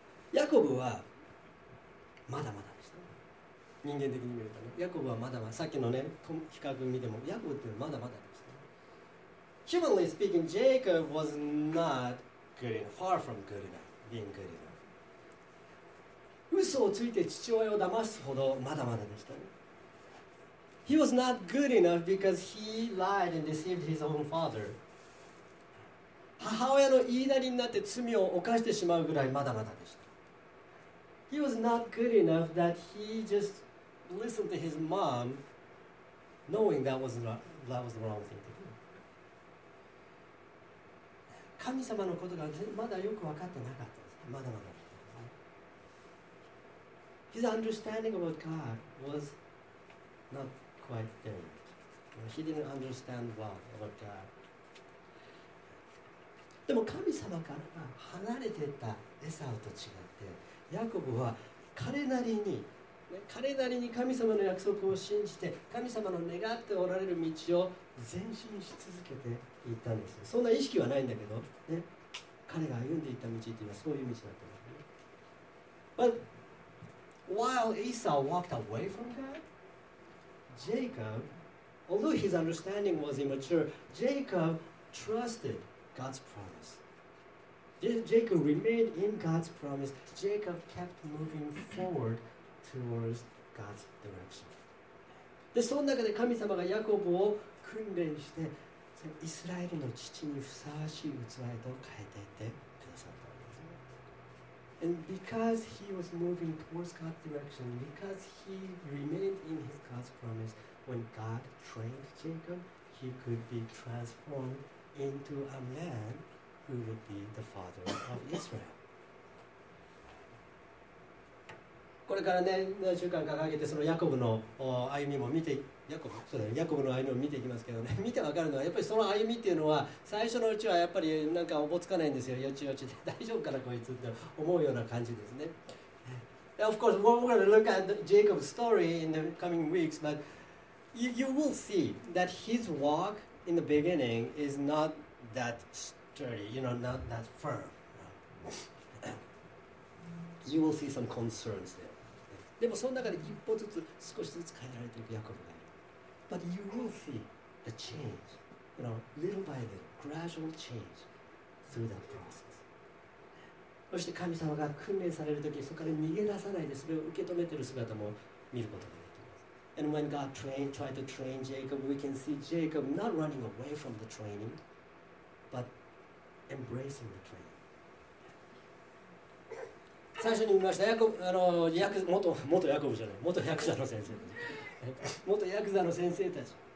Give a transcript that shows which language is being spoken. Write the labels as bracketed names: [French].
[Japanese] ヤコブはまだまだでした。人間的に見るとね、ヤコブはまだまださっきのね比較見てもヤコブってまだまだでした。 [English] Humanly speaking, Jacob was not good enough, far from good enough, being good enough. [Japanese] 嘘をついて父親を騙すほどまだまだでした、ね。 [English] He was not good enough because he lied and deceived his own father. [Japanese] 母親の言いなりになって罪を犯してしまうぐらいまだまだでした。 [English] He was not good enough that he just listened to his mom, knowing that was the wrong thing to do. [Japanese] 神様のことがまだよく分かってなかったんです。まだまだ。 [English] His understanding about God was not quite there. He didn't understand well about God. [Japanese] でも神様から離れてたエサウと違って。ヤコブは彼なりに神様の約束を信じて神様の願っておられる道を前進し続けていったんです。そんな意識はないんだけど、ね、彼が歩んでいった道というのはそういう道だと思う。 [English] But while Esau walked away from God, Jacob, although his understanding was immature, Jacob trusted God's promise. Jacob remained in God's promise. Jacob kept moving forward towards God's direction. [Japanese] で、その中で神様がヤコブを訓練して、イスラエルの父にふさわしい器へと変えていってくださったんです。 [English] And because he was moving towards God's direction, because he remained in his God's promise, when God trained Jacob, he could be transformed into a man. Who would be the father of Israel? [Japanese] これからね、何週間か掲げてそのヤコブの歩みも見て、ヤコブの歩みも見ていきますけどね、見てわかるのはやっぱりその歩みっていうのは最初のうちはやっぱりなんかおぼつかないんですよ、よちよちで大丈夫かなこいつって思うような感じですね。 [English] Of course, we're going to look at Jacob's story in the coming weeks, but you will see that his walk in the beginning is not that. You know, not that firm. You will see some concerns there. [Japanese] でもその中で一歩ずつ少しずつ変えられていくヤコブがいる。 [English] But you will see the change, you know, little by little, gradual change through that process. [Japanese] そして神様が訓練されるとき、そこから逃げ出さないでそれを受け止めている姿も見ることができます。 [English] And when God tried to train Jacob, we can see Jacob not running away from the training, but embracing the training. [Japanese] 最初に見ました、元ヤクザの先生たち。